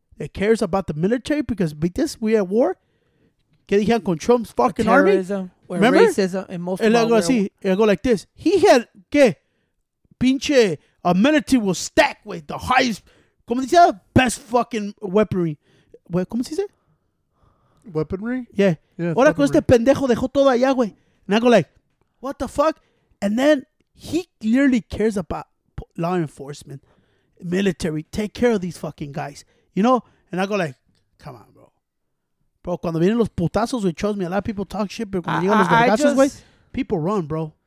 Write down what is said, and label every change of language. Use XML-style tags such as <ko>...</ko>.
<en>It cares about the military because this, we at war.</en> <es>Que dijeron con Trump's fucking</es> <en>terrorism, army. Remember? Racism and most and of all. And I go like this. He had,</en> <es>que pinche,</es> <en>a military was stacked with the highest,</en> <es>como dice,</es> <en>best fucking weaponry. What,</en> <es>como dice?</es> <en>Weaponry? Yeah.</en> <es>Ahora con este pendejo dejó todo allá, güey.</es> <en>And I go like, what the fuck? And then he clearly cares about law enforcement, military, take care of these fucking guys. You know, and I go like, come on, bro. Bro,</en> <es>cuando vienen los putazos,</es> <en>which shows me a lot of people talk shit, but</en> <es>cuando llegan los vergazos, güey,</es> <en>people run, bro.</en>